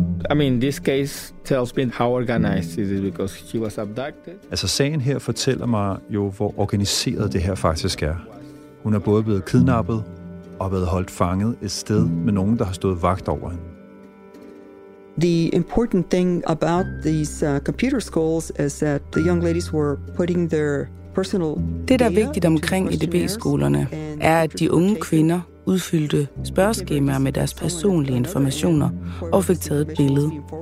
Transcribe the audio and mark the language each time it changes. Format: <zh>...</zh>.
<en>I mean, this case tells me how organized it is because she was abducted.</en> <da>Altså sagen her fortæller mig jo, hvor organiseret det her faktisk er. Hun er både blevet kidnappet og blevet holdt fanget et sted med nogen, der har stået vagt over hende.</da> <en>The important thing about these computer skulls is that the young ladies were putting their personal data.</en> <da>Det, der er vigtigt omkring EDB-skolerne, er, at de unge kvinder udfyldte spørgeskemaer med deres personlige informationer og fik taget et billede.</da>